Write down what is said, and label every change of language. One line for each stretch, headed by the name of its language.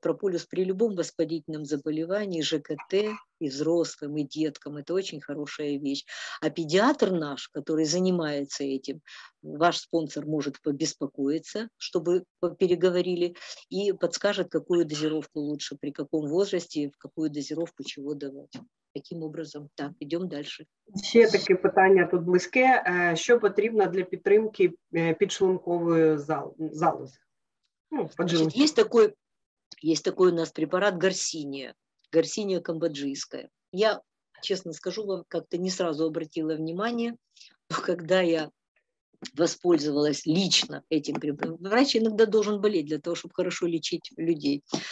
Russian: Прополис при любом воспалительном заболевании, ЖКТ, и взрослым, и деткам, это очень хорошая вещь. А педиатр наш, который занимается этим, ваш спонсор может побеспокоиться, чтобы переговорили, и подскажет, какую дозировку лучше, при каком возрасте, в какую дозировку чего давать. Таким образом, так, идем дальше.
Ukrainian: Ще таке питання тут близьке. Що потрібно для підтримки підшлункової залози?
Russian: Есть такой у нас препарат Гарсиния. Гарсиния камбоджийская. Я, честно скажу вам, как-то не сразу обратила внимание, но когда я воспользовалась лично этим препаратом, врач иногда должен болеть для того, чтобы хорошо лечить людей.